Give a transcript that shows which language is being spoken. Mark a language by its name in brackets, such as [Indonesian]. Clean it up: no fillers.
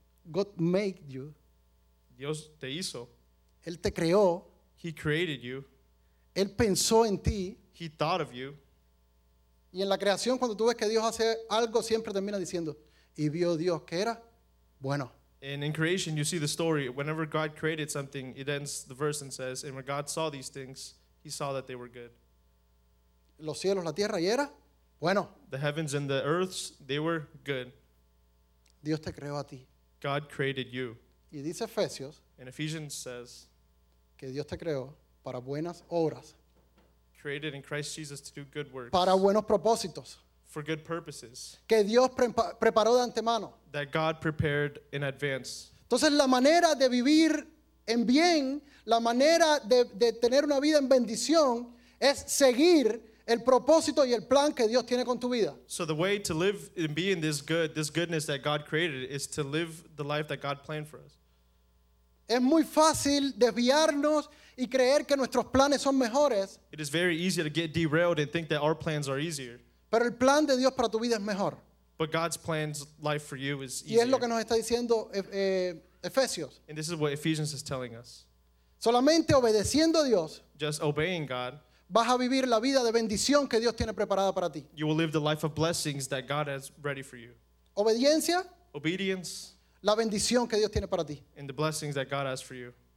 [English] God made you. [Spanish] Dios te hizo. Él te creó. [English] He created you. [Spanish] Él pensó en ti. [English] He thought of you. [Spanish] Y en la creación, cuando tú ves que Dios hace algo, siempre termina diciendo, y vio Dios que era bueno. [English] And in creation, you see the story. Whenever God created something, it ends the verse and says, and when God saw these things, he saw that they were good. [Spanish] Los cielos, la tierra, y era bueno. [English] The heavens and the earths, they were good. [Spanish] Dios te creó a ti. [English] God created you. [Spanish] Y dice Efesios, [English] and Ephesians says, [Spanish] que Dios te creó para buenas obras. [English] Created in Christ Jesus to do good works. [Spanish] Para buenos propósitos. [English] For good purposes. [Spanish] Que Dios preparó de antemano. [English] That God prepared in advance. [Spanish] Entonces la manera de vivir en bien, la manera de tener una vida en bendición, es seguir el propósito y el plan que Dios tiene con tu vida. [English] So the way to live and be in this good, this goodness that God created, is to live the life that God planned for us. [Spanish] Es muy fácil desviarnos y creer que nuestros planes son mejores. [English] It is very easy to get derailed and think that our plans are easier. [Spanish] Pero el plan de Dios para tu vida es mejor. [English] But God's plans life for you is easier. [Spanish] Y es lo que nos está diciendo Efesios. [English] And this is what Ephesians is telling us. [Spanish] Solamente obedeciendo a Dios. [English] Just obeying God. [Spanish] Vas a vivir la vida de bendición que Dios tiene preparada para ti. [English] You will live the life of blessings that God has ready for you. [Spanish] Obediencia. [English] Obedience. [Spanish] La bendición que Dios tiene para ti. [English] And the blessings that God has for you.